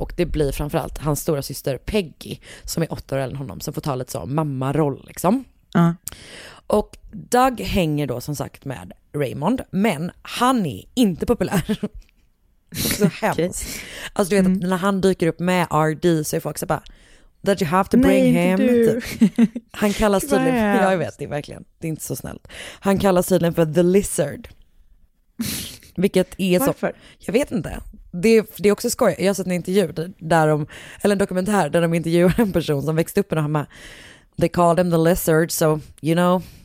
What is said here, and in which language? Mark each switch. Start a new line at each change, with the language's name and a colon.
Swedish: Och det blir framförallt hans stora syster Peggy, som är 8 år äldre än honom, som får ta lite så mammaroll liksom. Och Doug hänger då som sagt med Raymond, men han är inte populär. Så hemskt. Okay. Alltså du vet att när han dyker upp med RD så är folk så bara...
English: That you have to bring him.
Swedish: Han kallas tydligen för, jag vet det verkligen, det är inte så snällt. Han kallas tydligen för The Lizard. Vilket är så... Varför? Jag vet inte. Det är också skoj. Jag har sett en intervju där de, eller en dokumentär där de intervjuar en person som växte upp med honom.
English: They called him The Lizard, so you know.